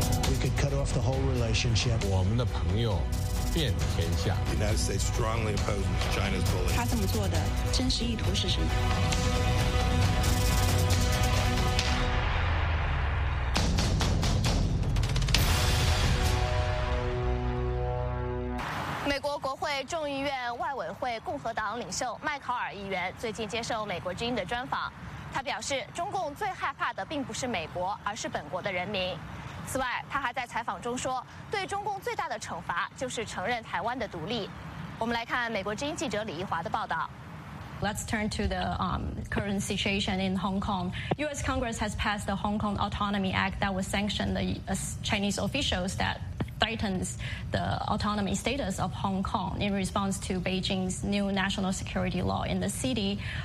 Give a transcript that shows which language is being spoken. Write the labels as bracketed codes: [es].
[en] We could cut off the whole relationship. [zh] 我们的朋友遍天下。 [en] The United States strongly opposes China's bullying. [zh] 他这么做的真实意图是什么？众议院外委会共和党领袖麦考尔议员最近接受美国之音的专访，他表示，中共最害怕的并不是美国，而是本国的人民。此外，他还在采访中说，对中共最大的惩罚就是承认台湾的独立。我们来看美国之音记者李怡华的报道。 [en] Let's turn to the current situation in Hong Kong. U.S. Congress has passed the Hong Kong Autonomy Act that was sanctioned the Chinese officials that threatens the autonomy status of Hong Kong in response to Beijing's new national security law in the city.